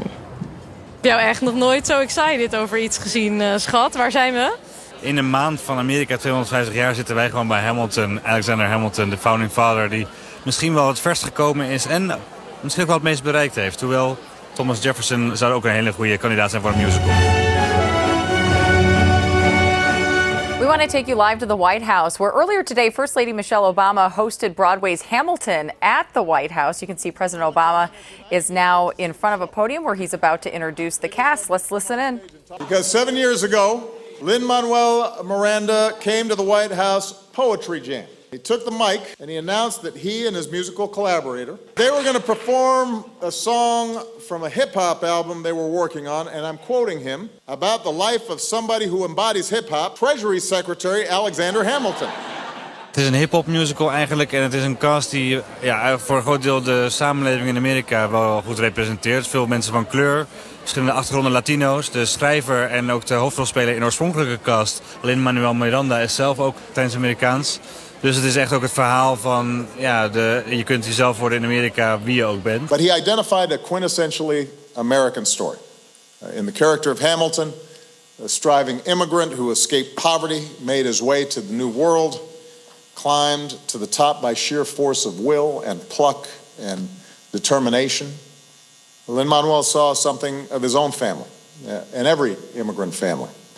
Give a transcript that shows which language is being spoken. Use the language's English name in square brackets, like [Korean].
[Dutch] Ik heb jou echt nog nooit zo excited over iets gezien, schat. Waar zijn we? In een maand van Amerika, 250 jaar, zitten wij gewoon bij Hamilton. Alexander Hamilton, de founding father die misschien wel het verst gekomen is en misschien ook wel het meest bereikt heeft. Hoewel, Thomas Jefferson zou ook een hele goede kandidaat zijn voor een musical. [English] We want to take you live to the White House, where earlier today, First Lady Michelle Obama hosted Broadway's Hamilton at the White House. You can see President Obama is now in front of a podium where he's about to introduce the cast. Let's listen in. Because 7 years ago, Lin-Manuel Miranda came to the White House poetry jam. He took the mic and he announced that he and his musical collaborator, they were going to perform a song from a hip-hop album they were working on, and I'm quoting him, about the life of somebody who embodies hip-hop, Treasury Secretary Alexander Hamilton. [Dutch] Het is een hip-hop musical eigenlijk en het is een cast die voor een groot deel de samenleving in Amerika wel goed representeert. Veel mensen van kleur, verschillende achtergronden Latino's. De schrijver en ook de hoofdrolspeler in de oorspronkelijke cast, Lin-Manuel Miranda, is zelf ook Latijns-Amerikaans. Dus het is echt ook het verhaal van, je kunt jezelf worden in Amerika wie je ook bent. [English] But he identified a quintessentially American story. In the character of Hamilton, a striving immigrant who escaped poverty, made his way to the new world, climbed to the top by sheer force of will and pluck and determination. Lin-Manuel saw something of his own family, and every immigrant family.